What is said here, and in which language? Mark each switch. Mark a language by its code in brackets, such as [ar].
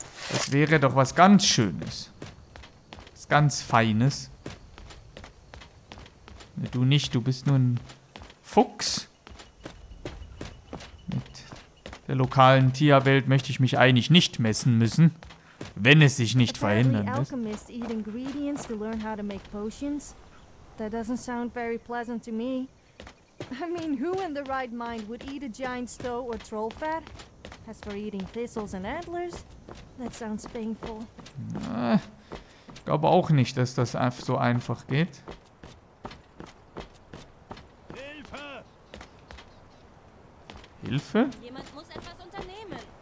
[de] Das wäre doch was ganz Schönes. Was ganz Feines. Du nicht, du bist nur ein Fuchs. Mit der lokalen Tierwelt möchte ich mich eigentlich nicht messen müssen, wenn es sich nicht verhindern lässt. [en] Alchemists eat ingredients to learn how to make potions. That doesn't sound very pleasant to me. I mean, who in the right mind would eat a giant stone or troll fat? As for eating thistles and antlers, that sounds painful. [de] Na, ich glaube auch nicht, dass das so einfach geht. Hilfe? Jemand muss etwas unternehmen.